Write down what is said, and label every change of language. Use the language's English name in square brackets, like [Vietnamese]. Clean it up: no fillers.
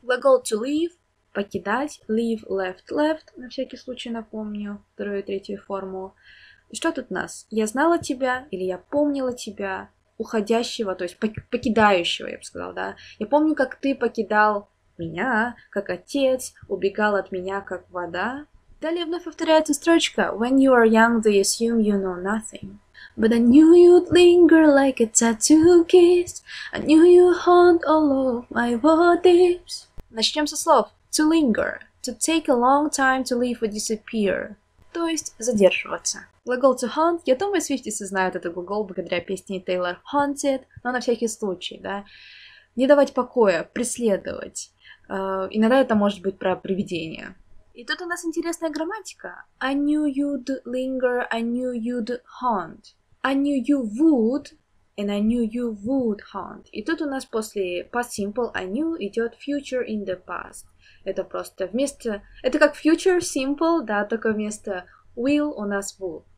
[Russian] Глагол to leave, покидать, leave, left, left, на всякий случай напомню, вторую и третью форму. И что тут у нас? Я знала тебя, или я помнила тебя, уходящего, то есть покидающего, я бы сказала, да. Я помню, как ты покидал меня, как отец, убегал от меня, как вода. Далее вновь повторяется строчка. [English] When you are young, they assume you know nothing. But I knew you'd linger like a tattoo kiss. I knew you'd haunt all of my bodies. [Russian] Начнем со слов. [English] To linger. To take a long time to leave or disappear. [Russian] То есть задерживаться. Глагол [English] to haunt. [Russian] Я думаю, свифтисы знают этот глагол благодаря песне Taylor Haunted. Но на всякий случай, да. Не давать покоя. Преследовать. Иногда это может быть про привидение. И тут у нас интересная грамматика. [English] I knew you'd linger, I knew you'd haunt. I knew you would, and I knew you would haunt. [Russian] И тут у нас после past simple I knew идет future in the past. Это просто вместо... Это как future simple, да, только вместо will у нас would.